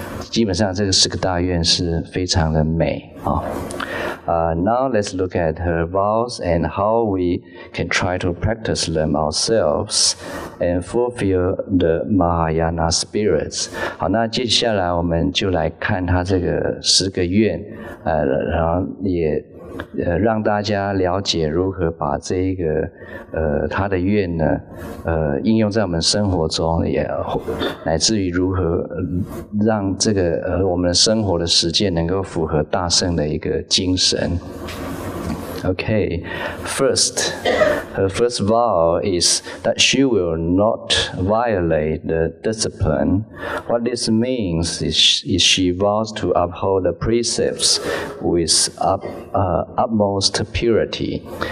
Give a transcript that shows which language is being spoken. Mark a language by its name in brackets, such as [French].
[Chinese] 基本上这个四个大愿是非常的美。 [English] Now let's look at her vows and how we can try to practice them ourselves and fulfill the Mahayana spirits. [Chinese] 好，那接下来我们就来看她这个十个愿，然后也让大家了解如何把这一个她的愿呢应用在我们生活中，也乃至于如何让这个我们生活的实践能够符合大圣的一个精神。 [English] Okay, first, her first vow is that she will not violate the discipline. What this means is she vows to uphold the precepts with utmost purity.